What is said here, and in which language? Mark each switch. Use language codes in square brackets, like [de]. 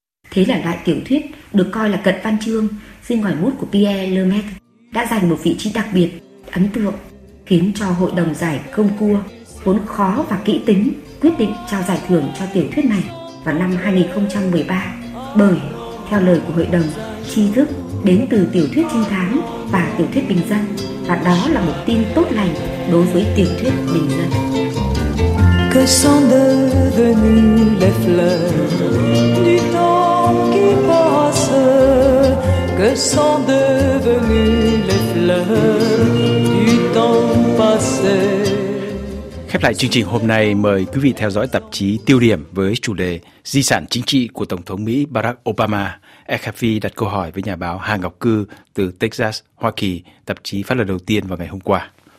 [vi] Thế là loại tiểu thuyết được coi là cận văn chương riêng ngòi bút của Pierre Lemaitre đã giành một vị trí đặc biệt, ấn tượng, khiến cho hội đồng giải Goncourt vốn khó và kỹ tính quyết định trao giải thưởng cho tiểu thuyết này vào năm 2013. Bởi theo lời của hội đồng, tri thức đến từ tiểu thuyết trinh thám và tiểu thuyết bình dân, và đó là một tin tốt lành đối với tiểu thuyết bình dân. [fr] Que sont devenues les fleurs du temps qui passe? Que sont devenues les fleurs du temps passé? [vi] khép lại chương trình hôm nay, mời quý vị theo dõi tạp chí Tiêu Điểm với chủ đề Di sản chính trị của Tổng thống Mỹ Barack Obama. AFP đặt câu hỏi với nhà báo Hà Ngọc Cư từ Texas, Hoa Kỳ, tạp chí phát lần đầu tiên vào ngày hôm qua.